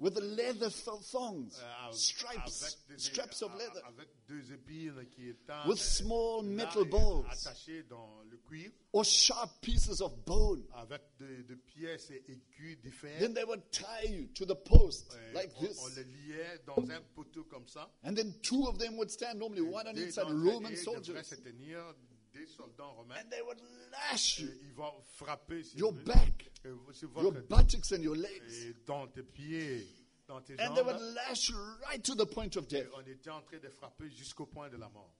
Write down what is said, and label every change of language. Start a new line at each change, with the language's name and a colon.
English: with the leather thongs, stripes, straps of leather,
French: avec deux épines qui étaient,
English: with small metal balls,
French: attachés dans le cuivre,
English: or sharp pieces of bone,
French: avec de pièces et aiguilles différentes.
English: Then they would tie you to the post like this.
French: On les liait dans un poteau comme ça.
English: And then two of them would stand normally, one on each side, Roman soldiers.
French: Des soldats romains.
English: And they would lash you.
French: Ils vont frapper sur
English: your back, your buttocks and your legs.
French: Et dans tes pieds, dans tes
English: and They would lash right to the point of death.
French: Et on était en train de frapper jusqu'au point de la mort.